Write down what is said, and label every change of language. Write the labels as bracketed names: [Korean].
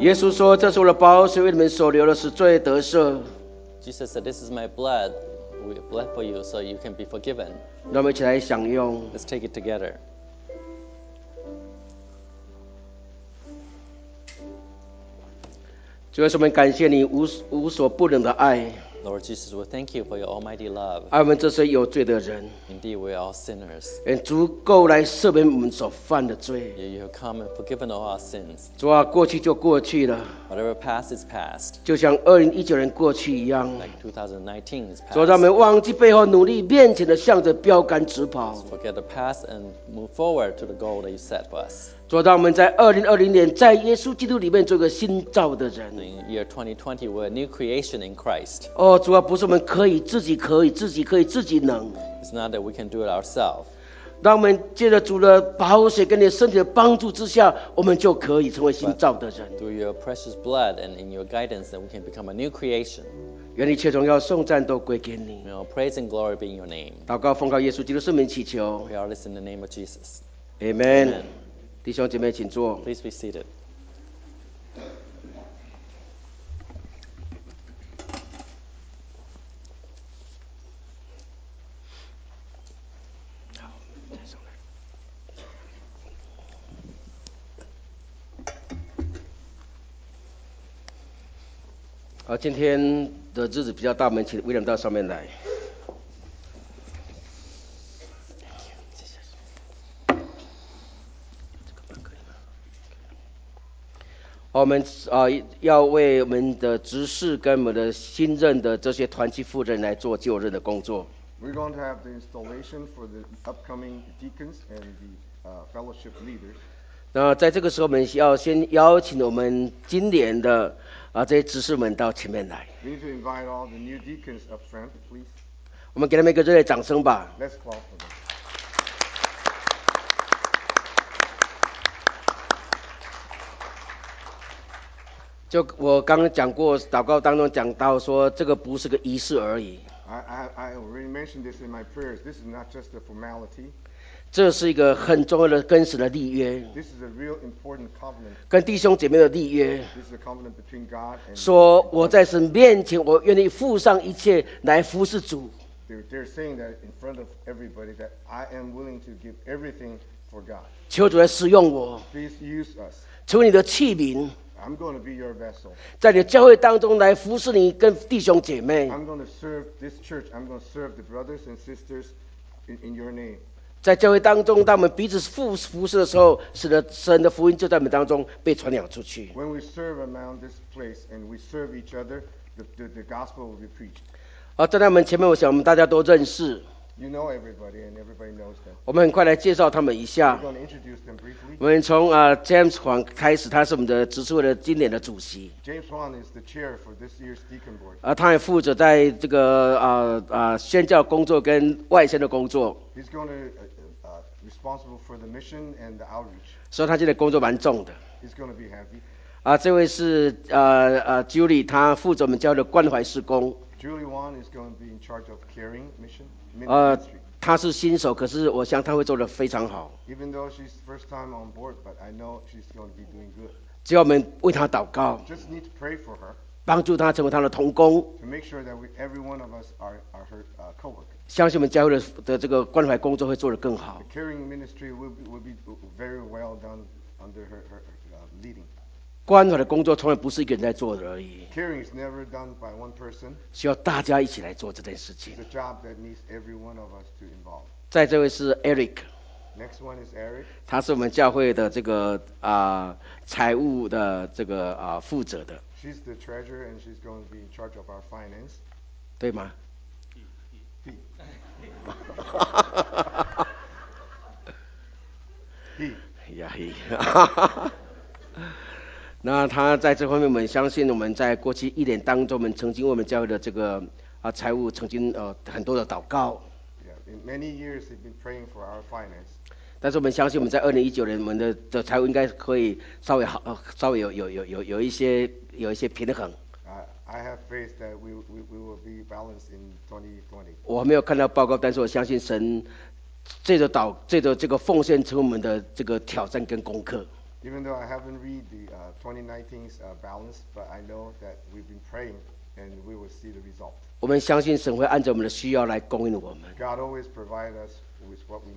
[Chinese] 耶稣说：“这是我的宝血，为你们所流的，是罪得赦。” [English] Jesus said, "This is my blood, blood for you, so you can be forgiven." [Chinese] 让我们一起来享用。 [English] Let's take it together. [Chinese] 主耶稣，我们感谢你无所不能的爱。 [English] Lord Jesus, we thank you for your almighty love. [Chinese] 爱我们这些有罪的人。 [English] Indeed, we are all sinners. [Chinese] 足够来赦免我们所犯的罪。 [English] You have come and forgiven all our sins. [Chinese] 主啊，过去就过去了。 [English] Whatever past is past. [Chinese] 就像2019年过去一样。 [English] Like 2019 is past. [Chinese] 主啊，让我们忘记背后努力，面前的向着标杆直跑。 [English] Forget the past and move forward to the goal that you set for us. [Chinese] 主啊，让我们在2020年在耶稣基督里面做一个新造的人。 [English] In year 2020, we're a new creation in Christ. [Chinese] 哦，主啊，不是我们可以自己可以自己可以自己能。 [English] It's not that we can do it ourselves. [Chinese] 让我们借着主的宝血跟你身体的帮助之下，我们就可以成为新造的人。 [English] But through your precious blood and in your guidance, then we can become a new creation. [Chinese] 愿一切荣耀颂赞都归给你。 [English] May all praise and glory be in your name. [Chinese] 祷告奉告耶稣基督圣名祈求。 [English] We all listen in the name of Jesus. Amen. Amen. [Chinese] 弟兄姐妹请坐。 [English] Please be seated. [Chinese] 好，今天的日子比较大，我们请威廉到上面来。我们要为我们的执事跟我们的新任的这些团契夫人来做就任的工作。 [English] We're going to have the installation for the upcoming deacons and the fellowship leaders. [Chinese] 那在这个时候，我们要先邀请我们今年的啊这些执事们到前面来。 [English] We need to invite all the new deacons up front, please. [Chinese] 我们给他们一个热烈掌声吧。 [English] Let's clap for them. [Chinese] 就我刚刚讲过，祷告当中讲到说，这个不是个仪式而已。 [English] I already mentioned this in my prayers. This is not just a formality. [Chinese] 这是一个很重要的跟神的立约。 [English] This is a real important covenant. [Chinese] 跟弟兄姐妹的立约。 [English] This is a covenant between God and. [Chinese] 说我在神面前，我愿意付上一切来服侍主。 [English] They're saying that in front of everybody that I am willing to give everything for God. [Chinese] 求主来使用我。 [English] Please use us. [Chinese] 求你的器皿。 [English] I'm going to be your vessel. [Chinese] 在你的教会当中来服侍你跟弟兄姐妹。 [English] I'm going to serve this church. I'm going to serve the brothers and sisters in your name. [Chinese] 在教会当中，当我们彼此服侍的时候，使得神的福音就在我们当中被传扬出去。 [English] When we serve around this place and we serve each other, the gospel will be preached. [Chinese] 而站在我们前面，我想我们大家都认识。 [English] You know everybody, and everybody knows them. [Chinese] 我们很快来介绍他们一下。 [English] We're going to introduce them briefly. [Chinese] 我们从James Huang 开始，他是我们的执事会的今年的主席。 [English] James Huang is the chair for this year's deacon board. [Chinese] 他也负责在这个宣教工作跟外宣的工作。 [English] He's going to responsible for the mission and the outreach. [Chinese] 所以他今天工作蛮重的。 [English] He's going to be heavy. [Chinese] 这位是Julie， 他负责我们教的关怀事工。 [English] Julie Wan is going to be in charge of caring mission. [Chinese] 他是新手，可是我想他会做得非常好。 [English] Even though she's first time on board, but I know she's going to be doing good. [Chinese] 只要我们为他祷告。 [English] Just need to pray for her. [Chinese] 帮助他成为他的同工。 [English] To make sure that every one of us are her coworker. [Chinese] 相信我们教会的这个关怀工作会做得更好。 [English] The caring ministry will be very well done under her leading. [Chinese] 关怀的工作从来不是一个人在做的而已。 [English] Caring is never done by one person. [Chinese] 需要大家一起来做这件事情。 [English] It's a job that needs every one of us to involve. [Chinese] 在这位是 Eric. [English] Next one is Eric. [Chinese] 他是我们教会的这个财务的这个负责的。 [English] She's the treasurer and she's going to be in charge of our finance. [Chinese] 对吗？ [English] He. [Chinese] 那他在这方面，我们相信我们在过去一年当中，我们曾经为我们教会的这个财务曾经很多的祷告。 [English] Yeah, in many years he's been praying for our finance. [Chinese] 但是我们相信我们在2019年，我们的财务应该可以稍微好，稍微有一些平衡。 [English] I have faith that we will be balanced in 2020. [Chinese] 我没有看到报告，但是我相信神这个奉献成为我们的这个挑战跟功课。 [English] Even though I haven't read the 2019's balance, but I know that we've been praying and we will see the result. [Chinese] 我们相信神会按照我们的需要来供应我们。 [English] God always provides us with what we need.